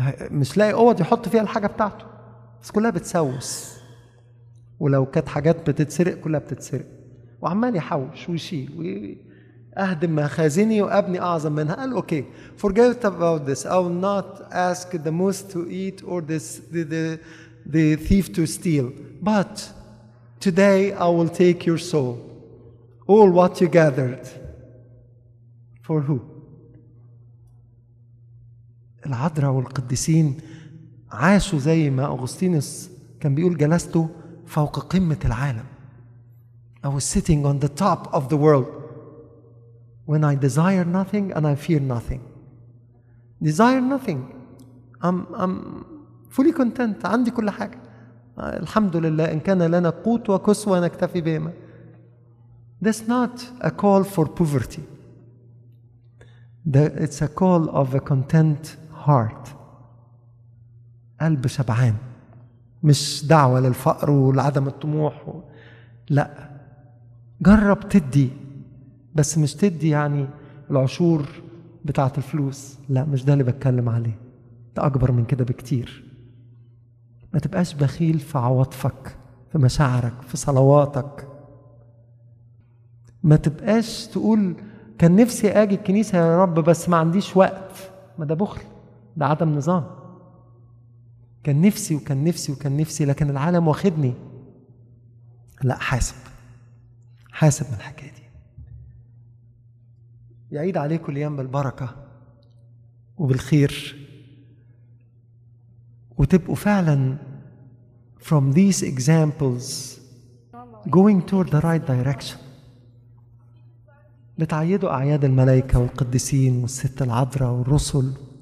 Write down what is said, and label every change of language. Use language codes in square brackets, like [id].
[ar] مش لاقي اوض يحط فيها الحاجه بتاعته بس كلها بتسوس، ولو كانت حاجات بتتسرق كلها بتتسرق، وعمال يحوش ويشيل واهدم مخازني وابني اعظم منها. قال اوكي، [en] forget about this. I will not ask the moose to eat or the thief to steal. But today I will take your soul, all what you gathered. For who? [ar] العذراء والقديسين عاشوا زي ما أغسطينوس كان بيقول جلستوا فوق قمة العالم. [en] I was sitting on the top of the world. When I desire nothing and I fear nothing. Desire nothing. I'm fully content. [ar] عندي كل حاجة. الحمد لله إن كان لنا قوت وكسوة نكتفي بهما. [en] That's not a call for poverty. It's a call of a content heart. [ar] قلب شبعان. مش دعوة للفقر والعدم الطموح. لا. جرب تدي. بس مش تدي يعني العشور بتاعة الفلوس. لا مش ده اللي بتكلم عليه. ده أكبر من كده بكتير. ما تبقاش بخيل في عواطفك، في مشاعرك، في صلواتك. ما تبقاش تقول كان نفسي أجي الكنيسة يا رب بس ما عنديش وقت. ما ده بخل، ده عدم نظام. كان نفسي وكان نفسي وكان نفسي لكن العالم واخدني. لا، حاسب من الحكاية دي. يعيد عليكم الأيام بالبركة وبالخير، وتبقوا فعلا [en] from these examples going toward the right direction. [ar] بتعيدوا أعياد الملائكة والقديسين والست العذراء والرسل.